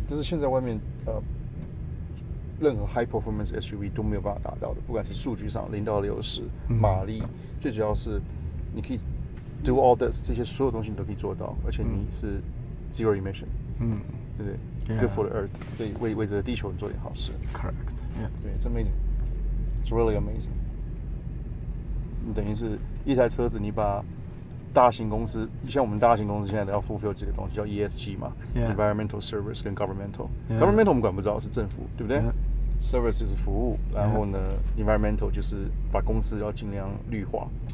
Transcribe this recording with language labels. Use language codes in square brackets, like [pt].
[zh] 这是现在外面任何 [en] high performance SUV [zh] 都没有办法达到的，不管是数据上0-60马力，最主要是你可以 [en] do all this [zh] 这些所有东西你都可以做到，而且你是 [en] zero emission， [zh] 对不对 [en] ？Good for the earth， [zh] 对，为着地球做点好事。 [en] Correct， yeah，对 ，it's amazing， it's really amazing。 [zh] 你等于是一台车子，你把大型公司，像我们大型公司现在要 fulfill 几个东西，叫 ESG 嘛 ， [en] environmental service [zh] 跟 governmental。 governmental 我们管不着，是政府，对不对 ？service 就是服务，然后呢 ，environmental 就是把公司要尽量绿化。